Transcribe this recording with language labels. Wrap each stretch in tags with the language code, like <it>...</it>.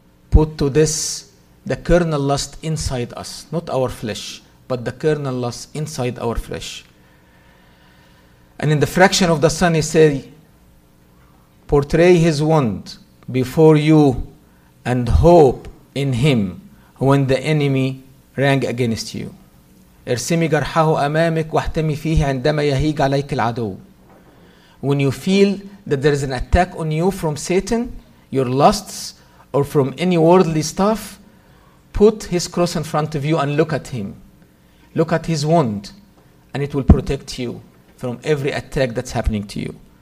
<en>Put to this the carnal lust inside us, not our flesh, but the carnal lust inside our flesh. And in the fraction of the sun, he said, portray his wound before you and hope in him when the enemy rang against you.</en> <ar>ارسمي جرحه امامك واحتمي فيه عندما يهيج عليك العدو.</ar> <en>When you feel that there is an attack on you from Satan, your lusts, or from any worldly stuff, put his cross in front of you and look at him. Look at his wound, and it will protect you from every attack that's happening to you.</en>